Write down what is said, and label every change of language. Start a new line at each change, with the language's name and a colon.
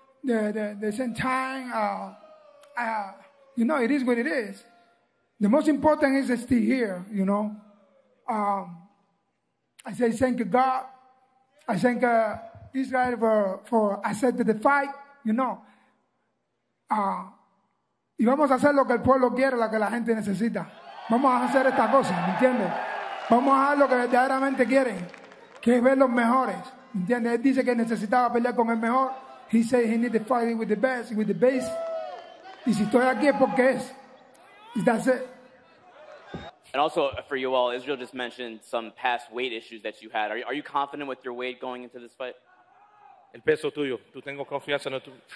English: The same time, you know, it is what it is. The most important is to stay here, you know. I say thank you, God. I thank Israel for accepting the fight, you know.
Spanish: Y vamos a hacer lo que el pueblo quiere, lo que la gente necesita. Vamos a hacer esta cosa, ¿me entiendes? Vamos a hacer lo que verdaderamente quieren, que es ver los mejores, ¿me entiendes? Él dice que necesitaba pelear con el mejor.
English: He said he needed fighting with the best, with the base.
Spanish: Y si estoy aquí es porque es.
English: That's it. And also for you all, Israel just mentioned some past weight issues that you had. Are you confident with your weight going into this fight?
Spanish: El peso tuyo. Tú tengo confianza en tu.